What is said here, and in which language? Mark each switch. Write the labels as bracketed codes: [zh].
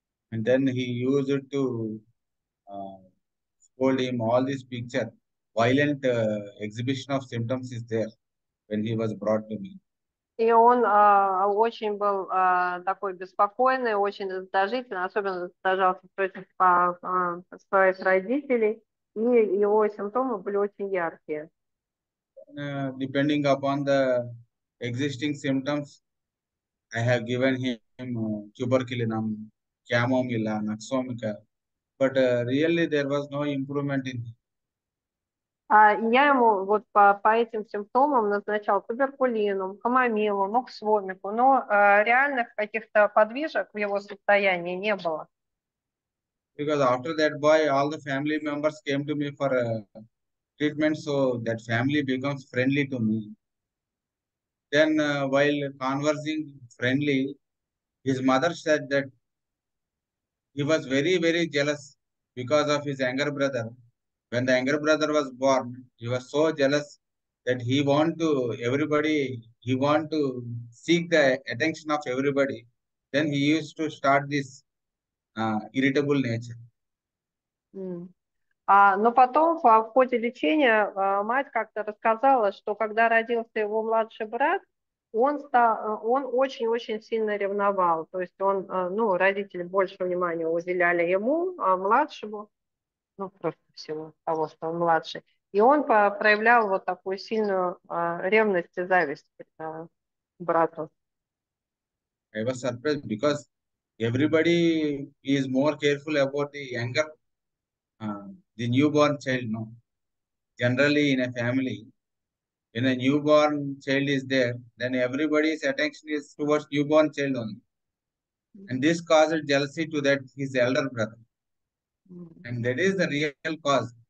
[en] And then he used to scold him all this picture. Violent exhibition of symptoms is there when he was brought to me. [ru] И он очень был такой беспокойный, очень раздражительный, особенно раздражался против своих родителей, и его симптомы были очень яркие. [en] Depending upon the existing symptoms, I have given him tuberculinum, chamomilla, naxomica, but really there was no improvement in him. [ru] Я ему вот по этим симптомам назначал туберкулином, хамомилу, ноксвомику, но реальных каких-то подвижек в его состоянии не было. [en] Because after that boy, all the family members came to me for treatment, so that family becomes friendly to me. Then, while conversing friendly, his mother said that he was very, very jealous because of his younger brother. When the younger brother was born, he was so jealous that he want to seek the attention of everybody. Then he used to start this irritable nature. [ru] Но потом в ходе лечения мать как-то рассказала, что когда родился его младший брат, он очень-очень сильно ревновал. То есть он, ну, родители больше внимания уделяли ему, а младшему, ну, просто всего того, что он младший. И он проявлял вот такую сильную ревность и зависть к брату. [en] I was surprised because everybody is more careful about the younger, the newborn child. No, generally in a family, when a newborn child is there, then everybody's attention is towards newborn child only, and this causes jealousy to that his elder brother, and that is the real cause.